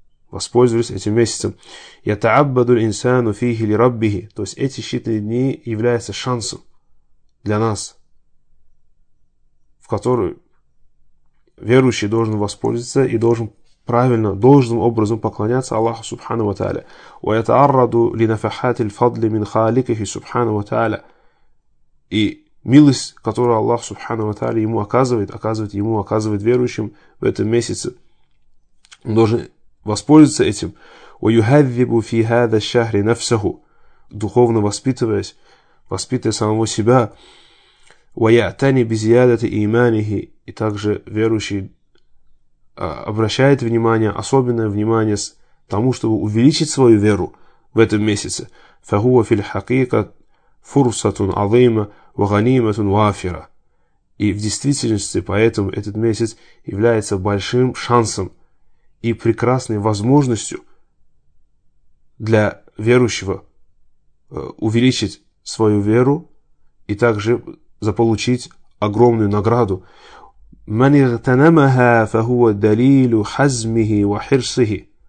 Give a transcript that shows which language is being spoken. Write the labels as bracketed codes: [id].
[ru] Воспользовались этим месяцем. [ar] «Ятаабаду линсану фихи ли раббихи». [ru] То есть эти считанные дни являются шансом для нас, в которую верующий должен воспользоваться и должен правильно, должным образом поклоняться Аллаху Субхану ва Тааля. [ar] وَيَتَعَرَّضُ لِنَفَحَاتِ الْفَضْلِ مِنْ خَالِكِهِ Субхану ва Тааля. [ru] И милость, которую Аллах Субхану ва Тааля ему оказывает, оказывает верующим в этом месяце, он должен воспользоваться этим. [ar] وَيُهَذِّبُ فِي هَذَا الشَّهْرِ نَفْسَهُ. [ru] Духовно воспитывая самого себя. [ar] وَيَعْتَنِي بِزِيَادَةِ إِيمَانِهِ. [ru] И также верующий обращает внимание, особенное внимание к тому, чтобы увеличить свою веру в этом месяце. [ar] فَهُوَ فِي الْحَقِيقَةِ فُرْصَةٌ عَظِيمَ وَغَنِيمَةٌ وَافِرَ. [ru] И в действительности поэтому этот месяц является большим шансом и прекрасной возможностью для верующего увеличить свою веру и также заполучить огромную награду. [ar] من اغتنمها فهو دليل حزمه وحرصه.